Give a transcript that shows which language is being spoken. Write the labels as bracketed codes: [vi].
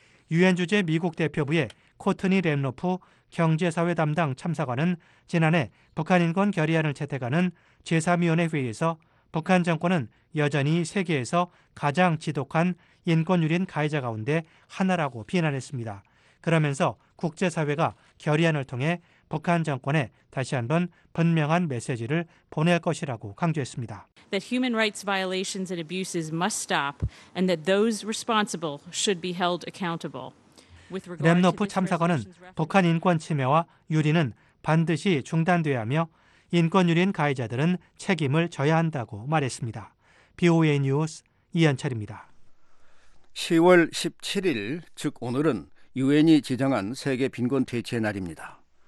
[ko] 유엔 주재 미국 대표부의 코트니 램노프 경제사회 담당 참사관은 지난해 북한인권 결의안을 채택하는 제3위원회 회의에서 북한 정권은 여전히 세계에서 가장 지독한 인권유린 가해자 가운데 하나라고 비난했습니다. 그러면서 국제사회가 결의안을 통해 북한 정권에 다시 한번 분명한 메시지를 보낼 것이라고 강조했습니다. [en] That human rights violations and abuses must stop and that those responsible should be held accountable. [ko] 램노프 참사관은 북한 인권 침해와 유린은 반드시 중단돼야 하며 인권 유린 가해자들은 책임을 져야 한다고 말했습니다. BOA 뉴스 이현철입니다. 10월 17일, 즉 오늘은 유엔이 지정한 세계 빈곤 퇴치의 날입니다.